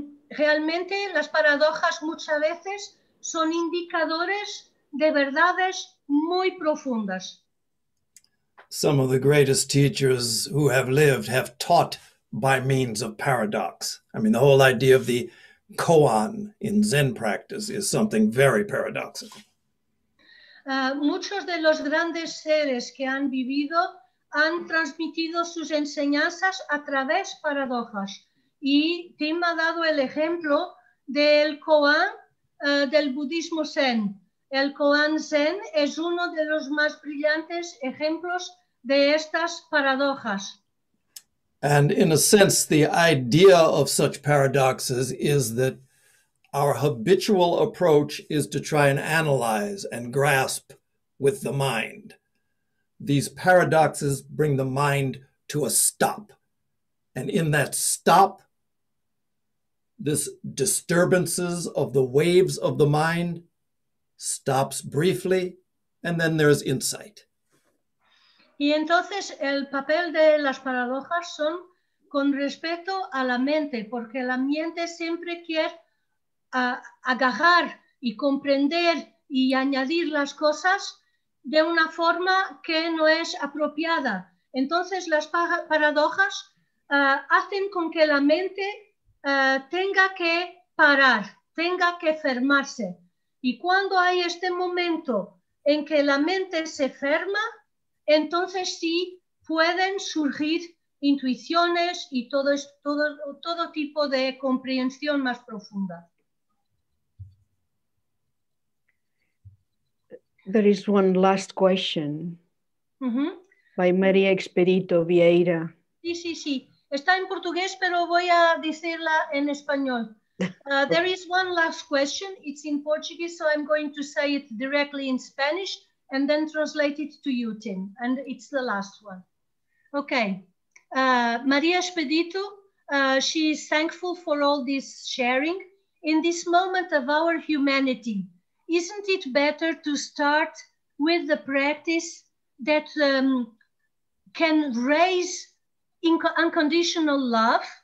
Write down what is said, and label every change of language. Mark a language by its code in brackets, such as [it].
[es] Realmente las paradojas muchas veces son indicadores de verdades muy profundas. [en] Some of the greatest teachers who have lived have taught by means of paradox. I mean, the whole idea of the koan in Zen practice is something very paradoxical. [es] Muchos de los grandes seres que han vivido han transmitido sus enseñanzas a través de paradojas. Y Tim ha dado el ejemplo del koan del budismo Zen. El koan Zen es uno de los más brillantes ejemplos de estas paradojas. [en] And in a sense, the idea of such paradoxes is that our habitual approach is to try and analyze and grasp with the mind. These paradoxes bring the mind to a stop. And in that stop, this disturbances of the waves of the mind stops briefly, and then there's insight. [es] Y entonces el papel de las paradojas son con respecto a la mente, porque la mente siempre quiere agarrar y comprender y añadir las cosas de una forma que no es apropiada. Entonces las paradojas hacen con que la mente tenga que parar, tenga que fermarse. Y cuando hay este momento en que la mente se ferma, entonces sí pueden surgir intuiciones y todo tipo de comprensión más profunda. [en] There is one last question by María Expedito Vieira. [es] Sí, sí, sí. Está en portugués, pero voy a decirla en español. [en] There is one last question. It's in Portuguese, so I'm going to say it directly in Spanish and then translate it to you, Tim. And it's the last one. Okay. María Expedito, she is thankful for all this sharing. In this moment of our humanity, isn't it better to start with the practice that can raise unconditional love?